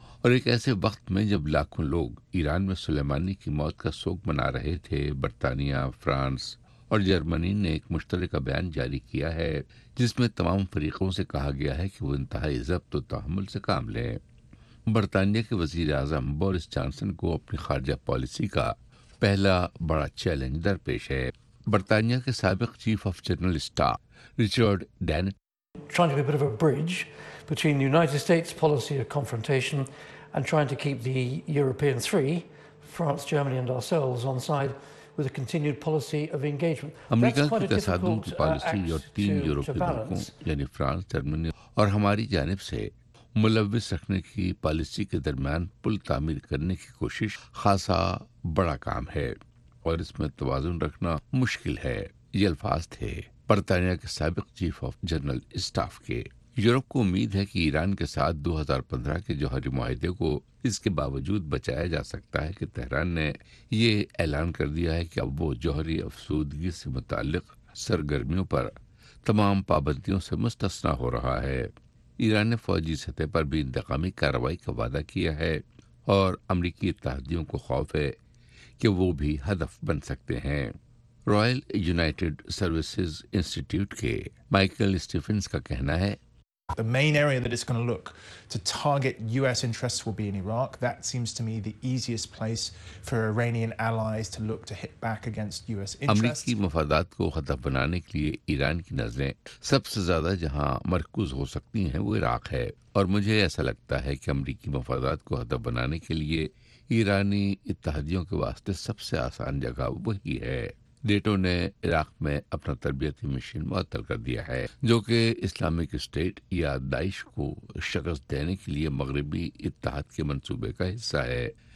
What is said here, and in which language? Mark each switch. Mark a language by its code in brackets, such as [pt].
[ur] اور ایک ایسے وقت میں جب لاکھوں لوگ ایران میں سلیمانی کی موت کا سوگ منا رہے تھے، برطانیہ، فرانس اور جرمنی نے ایک مشترکہ بیان جاری کیا ہے جس میں تمام فریقوں سے کہا گیا ہے کہ وہ انتہائی ضبط و تحمل سے کام لیں۔ برطانیہ کے وزیر اعظم بورس جانسن کو اپنی خارجہ پالیسی کا پہلا بڑا چیلنج درپیش ہے۔ برطانیہ کے سابق chief of general staff Richard dent, [en] between the United States policy of confrontation and trying to keep the European three, France, Germany and ourselves on side with a continued policy of engagement. [ur] امریکہ کی تصادم کی policy اور تین یورپی ملکوں یعنی France, Germany اور ہماری جانب سے ملوث رکھنے کی پالیسی کے درمیان پل تعمیر کرنے کی کوشش خاصا بڑا کام ہے اور اس میں توازن رکھنا مشکل ہے۔ یہ الفاظ تھے برطانیہ کے سابق چیف آف جنرل اسٹاف کے۔ یورپ کو امید ہے کہ ایران کے ساتھ 2015 کے جوہری معاہدے کو اس کے باوجود بچایا جا سکتا ہے کہ تہران نے یہ اعلان کر دیا ہے کہ اب وہ جوہری افسودگی سے متعلق سرگرمیوں پر تمام پابندیوں سے مستثنی ہو رہا ہے۔ ایران نے فوجی سطح پر بھی انتقامی کارروائی کا وعدہ کیا ہے اور امریکی اتحادیوں کو خوف ہے کہ وہ بھی ہدف بن سکتے ہیں۔ رائل یونائیٹڈ سروسز انسٹیٹیوٹ کے مائیکل اسٹیفنز کا کہنا ہے، [en] The main area that it's going to look to target US interests will be in Iraq. That seems to me the easiest place for Iranian allies to look to hit back against US interests. [ur] امریکی مفادات کو خطر بنانے کے لیے ایران کی نظریں سب سے زیادہ جہاں مرکوز ہو سکتی ہیں وہ عراق ہے، اور مجھے ایسا لگتا ہے کہ امریکی مفادات کو خطر بنانے کے لیے ایرانی اتحادیوں کے واسطے سب سے آسان جگہ وہی ہے۔ نیٹو نے عراق میں اپنا تربیتی مشن معطل کر دیا ہے، جو کہ اسلامک اسٹیٹ یا داعش کو شکست دینے کے لیے مغربی اتحاد کے منصوبے کا حصہ ہے۔